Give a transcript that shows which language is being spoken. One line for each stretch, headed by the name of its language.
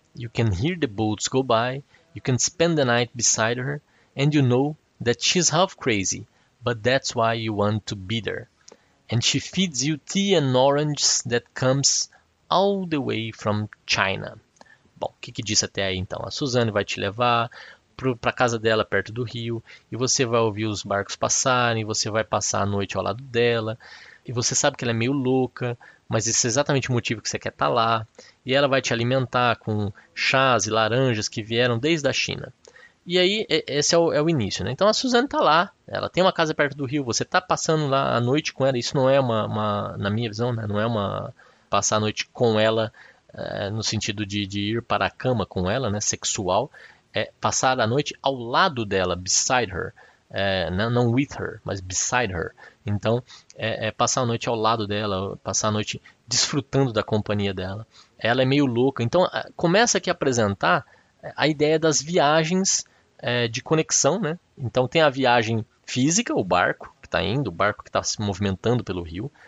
English: You can hear the boats go by, you can spend the night beside her, and you know that she's half crazy, but that's why you want to be there. And she feeds you tea and oranges that comes all the way from China.
Portuguese: Bom, o que que diz até aí então? A Suzane vai te levar para casa dela perto do rio e você vai ouvir os barcos passarem, você vai passar a noite ao lado dela e você sabe que ela é meio louca, mas esse é exatamente o motivo que você quer estar lá e ela vai te alimentar com chás e laranjas que vieram desde a China. E aí, esse é o início, né? Então a Suzane tá lá, ela tem uma casa perto do rio, você tá passando lá a noite com ela. Isso não é na minha visão, né? Não é uma passar a noite com ela, no sentido de ir para a cama com ela, né? Sexual. É passar a noite ao lado dela,
English: beside her.
Portuguese: Não
English: with her,
Portuguese: mas
English: beside her.
Portuguese: Então, é passar a noite ao lado dela, passar a noite desfrutando da companhia dela. Ela é meio louca. Então, começa aqui a apresentar a ideia das viagens. De conexão, né? Então tem a viagem física, o barco que está indo, o barco que está se movimentando pelo rio.